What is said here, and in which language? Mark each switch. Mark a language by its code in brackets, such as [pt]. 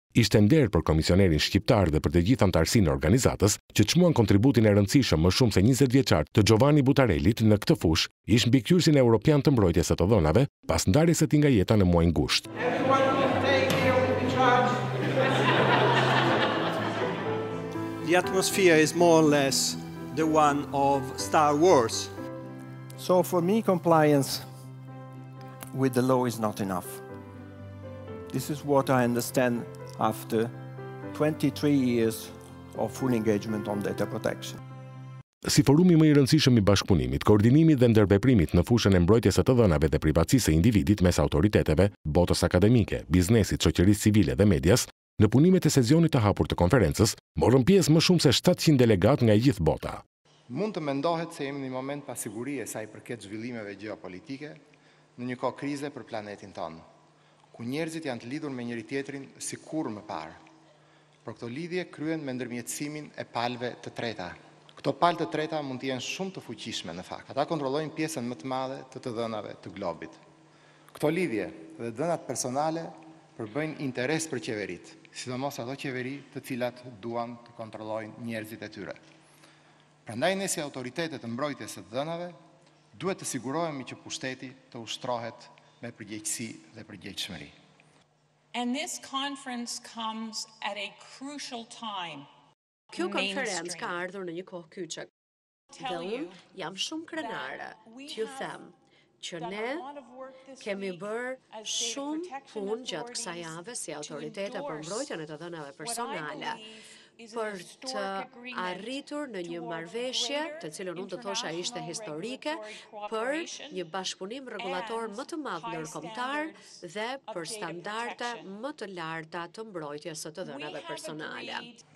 [sq] ishte nder për komisionerin shqiptar dhe për të gjithë antarësinë e organizatës që çmuan kontributin e rëndësishëm më shumë se 20 vjeçar të Giovanni Butarellit në këtë fushë, ish mbikëqyrësin evropian të mbrojtjes së të dhënave pas ndarjes së tij nga jeta në muajin gusht. [en] The atmosphere is more or less the one of Star Wars. So for me, compliance with the law is not enough. This is what I understand after 23 years of full engagement on data protection. [sq] Si forumi më i rëndësishëm i bashkëpunimit, koordinimit dhe ndërveprimit në fushën e mbrojtjes së të dhënave dhe privatësisë së individit mes autoriteteve, botës akademike, biznesit, shoqërisë civile dhe medias, në punimet e sezionit të hapur të konferencës, morën pjesë më shumë se 700 delegat nga gjithë bota. Mund të mendohet se jemi në një moment pasigurie sa i përket zhvillimeve gjeopolitike, në një kohë krize për planetin tonë, ku njerëzit janë të lidhur me njëri tjetrin si kur më parë. Por këto lidhje kryen me ndërmjetësimin e palve të treta. Këto palë të treta mund të jenë shumë të fuqishme në fakt. Ata kontrollojnë pjesën më të madhe të të dhënave të globit. Këto lidhje dhe dhënat personale përbëjnë interes për qeverit, sidomos ato qeveri të cilat duan të kontrollojnë njerëzit e tyre. Prandaj ne si autoritetet të mbrojtjes së dhënave duhet të sigurohemi që pushteti të ushtrohet me përgjegjësi dhe përgjegjshmëri. [en] And this conference comes at a crucial time. [sq] Kjo konferencë ka ardhur në një kohë kyçe. Dhe unë jam shumë krenare, t'ju them, që ne kemi bërë shumë punë gjatë kësaj jave si autoritete për mbrojtjen e të dhënave personale, për të arritur në një marrëveshje, të cilën unë do thosha ishte historike, për një bashkëpunim rregullator më të madh ndërkombëtar dhe për standarde më të larta të mbrojtjes së të dhënave personale.